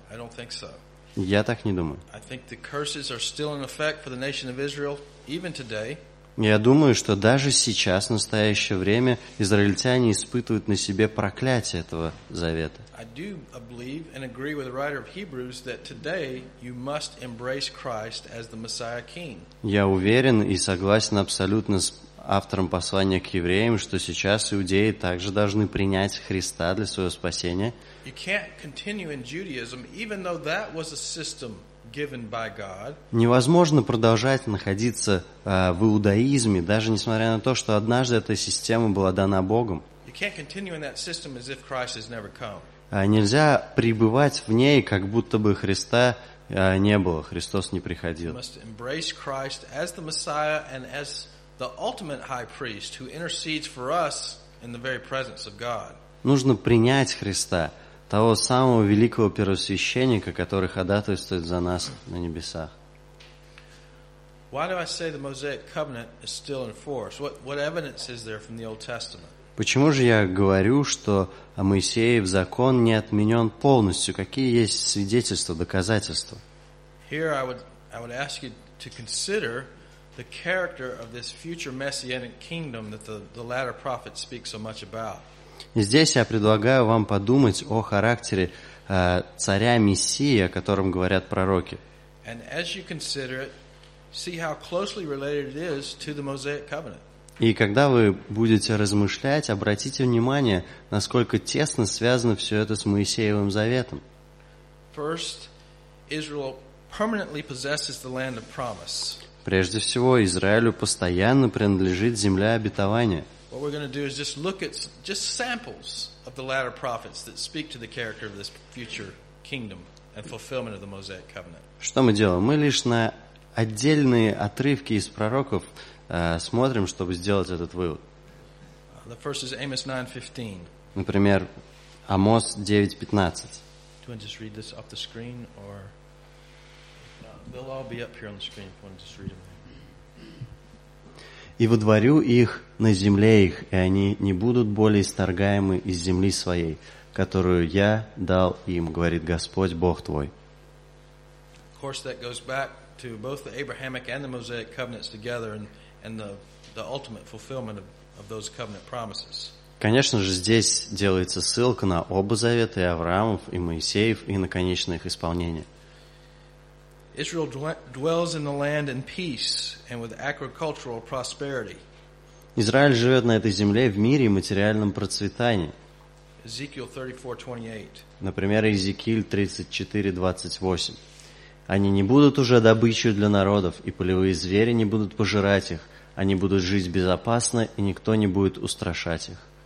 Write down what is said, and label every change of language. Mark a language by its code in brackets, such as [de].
[en] I don't think so. [ru] Я так не думаю. [en] I think the curses are still in effect for the nation of Israel even today. [ru] Я думаю, что даже сейчас, в настоящее время, израильтяне испытывают на себе проклятие этого завета. [en] I do believe and agree with the writer of Hebrews that today you must embrace Christ as the Messiah King. [ru] Я уверен и согласен абсолютно с автором послания к евреям, что сейчас иудеи также должны принять Христа для своего спасения. [en] You can't continue in Judaism, even though that was a system given by God. [ru] Невозможно продолжать находиться в иудаизме, даже несмотря на то, что однажды эта система была дана Богом. [en] You can't continue in that system as if Christ has never come. [ru] Нельзя пребывать в ней, как будто бы Христа не было, Христос не приходил. [en] You must embrace Christ as the Messiah and as the ultimate high priest who intercedes for us in the very presence of God. [ru] Нужно принять Христа, того самого великого первосвященника, который ходатайствует за нас на небесах. [en] Why do I say the Mosaic covenant is still in force? What evidence is there from the Old Testament? [ru] Почему же я говорю, что Моисеев закон не отменен полностью? Какие есть свидетельства, доказательства? [en] Here I would ask you to consider the character of this future messianic kingdom that the latter prophet speaks so much about. [ru] Здесь я предлагаю вам подумать о характере царя Мессии, о котором говорят пророки. [en] And as you consider it, see how closely related it is to the Mosaic covenant. [ru] И когда вы будете размышлять, обратите внимание, насколько тесно связано все это с Моисеевым заветом. [en] First, Israel permanently possesses the land of promise. [ru] Прежде всего, Израилю постоянно принадлежит земля обетования. [en] What we're going to do is just look at just samples of the latter prophets that speak to the character of this future kingdom and fulfillment of the Mosaic covenant. [ru] Что мы делаем? Мы лишь на отдельные отрывки из пророков смотрим, чтобы сделать этот вывод. [en] The first is Amos 9:15. [ru] Например, Амос 9:15. [en] Do you want to just read this off the screen, or they'll all be up here on the screen if you want to just read them. [ru] «И водворю их на земле их, и они не будут более исторгаемы из земли своей, которую я дал им, говорит Господь Бог твой». [en] Of course, that goes back to both the Abrahamic and the Mosaic covenants together and the ultimate fulfillment of those covenant promises. [ru] Конечно же, здесь делается ссылка на оба завета, и Авраамов, и Моисеев, и на конечное их исполнение. [en] Israel dwells in the land in peace and with agricultural prosperity. [ru] Израиль живет на этой земле в мире и материальном процветании. [en] Ezekiel 34:28. [ru] Например, Иезекииль 34:28. Они не будут уже добычей для народов, и полевые звери не будут пожирать их. Они будут жить безопасно, и никто не будет устрашать их.